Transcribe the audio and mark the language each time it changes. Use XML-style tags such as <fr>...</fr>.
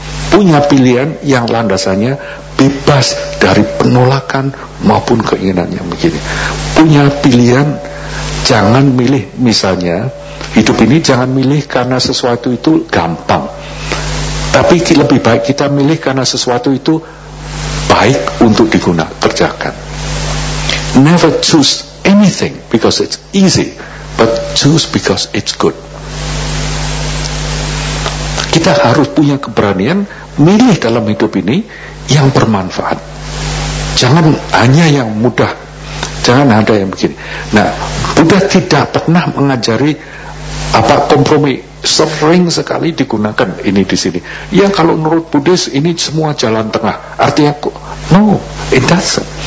<id>Punya pilihan yang landasannya bebas dari penolakan maupun keinginan yang begini. Punya pilihan, jangan milih misalnya, hidup ini jangan milih karena sesuatu itu gampang. Tapi lebih baik kita milih karena sesuatu itu baik untuk digunakan, kerjakan.</id> <en>Never choose anything because it's easy, but choose because it's good.</en> <id>Kita harus punya keberanian milih dalam hidup ini yang bermanfaat. Jangan hanya yang mudah, jangan ada yang begini. Nah, Buddha tidak pernah mengajari apa kompromi. Sering sekali digunakan ini di sini. Ya kalau menurut Buddhis ini semua jalan tengah. Artinya,</id> <en>no, it doesn't.</en>